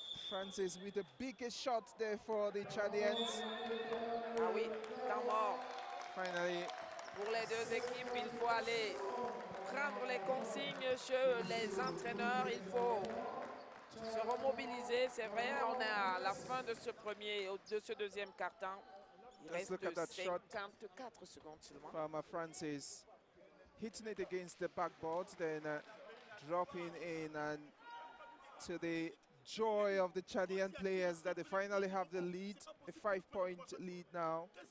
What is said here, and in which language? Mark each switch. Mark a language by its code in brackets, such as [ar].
[en] Francis with the biggest shot there for the Chadians. [fr] Ah oui, Tamor. [en] Finally. [fr] Pour les deux équipes, il faut aller prendre les consignes chez les entraîneurs. Il faut se remobiliser, c'est vrai, on est à la fin de ce premier, de ce deuxième quart-temps. Il [en] Let's [fr] reste 54 [en] shot. [fr] Secondes seulement. [en] From Francis, hitting it against the backboard, then dropping in and to the joy of the Chadian players that they finally have the lead, a 5-point lead now.